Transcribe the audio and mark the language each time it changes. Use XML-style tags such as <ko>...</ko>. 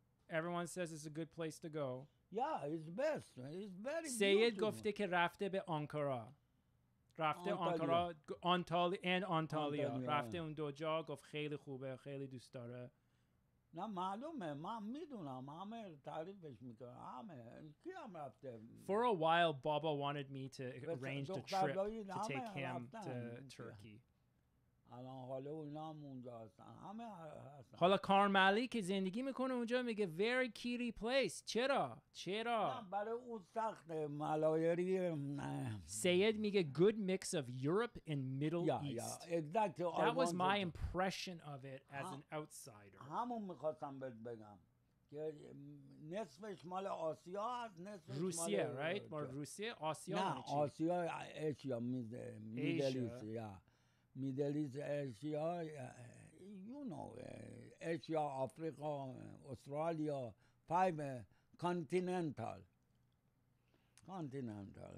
<en>Everyone says it's a good place to go. Yeah, it's best. It's very beautiful.</en> <fa>سید گفته که رفته به آنکارا. رفته آنکارا آنتالیا. رفته اون دو جا، گفت خیلی خوبه، خیلی دوست داره. نه معلومه، من میدونم، همه تعریفش میکنه، همه. کی هم رفته؟</fa> <en>For a while, Baba wanted me to arrange a trip to take him to Turkey.</en> <fa>الان حالا اونا هم اونجا هستن، همه هستن. حالا کارملی که زندگی میکنه اونجا میگه</fa> <en>very kitty place.</en> <fa>چرا؟ چرا؟ نه برای اون سخت ملایری. سید میگه</fa> <en>good mix of Europe and Middle East. Exactly. That was my impression of it as an outsider.</en> <fa>همون میخواستم بهت بگم که نصفش مال آسیا هست، نصفش مال روسیه، right؟ مال روسیه؟ آسیا نه، آسیا ایشیا میده، میدل ایست، یا</fa> <en>Middle East, Asia, you know, Asia, Africa, Australia, five continental. Continental.</en>